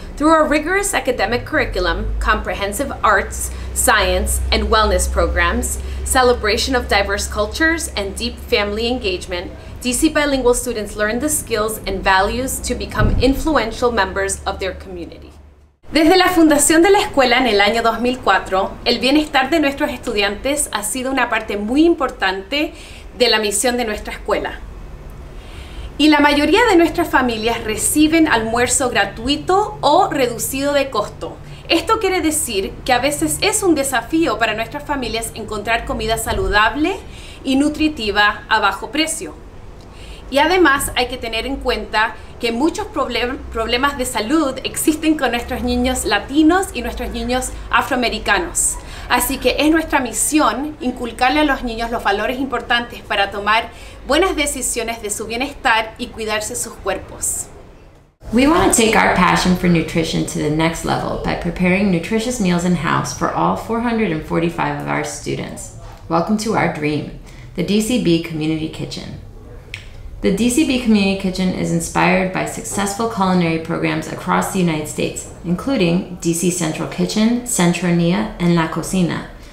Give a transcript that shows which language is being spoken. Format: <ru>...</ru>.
<en>Through a rigorous academic curriculum, comprehensive arts, science, and wellness programs, celebration of diverse cultures, and deep family engagement, DC Bilingual students learn the skills and values to become influential members of their community.</en> <es>Desde la fundación de la escuela en el año 2004, el bienestar de nuestros estudiantes ha sido una parte muy importante de la misión de nuestra escuela. Y la mayoría de nuestras familias reciben almuerzo gratuito o reducido de costo. Esto quiere decir que a veces es un desafío para nuestras familias encontrar comida saludable y nutritiva a bajo precio. Y además hay que tener en cuenta que muchos problemas de salud existen con nuestros niños latinos y nuestros niños afroamericanos. Así que es nuestra misión inculcarle a los niños los valores importantes para tomar buenas decisiones de su bienestar y cuidarse sus cuerpos.</es> <en>We want to take our passion for nutrition to the next level by preparing nutritious meals in-house for all 445 of our students. Welcome to our dream, the DCB Community Kitchen. The DCB Community Kitchen is inspired by successful culinary programs across the United States, including DC Central Kitchen, Centronia, and La Cocina.</en>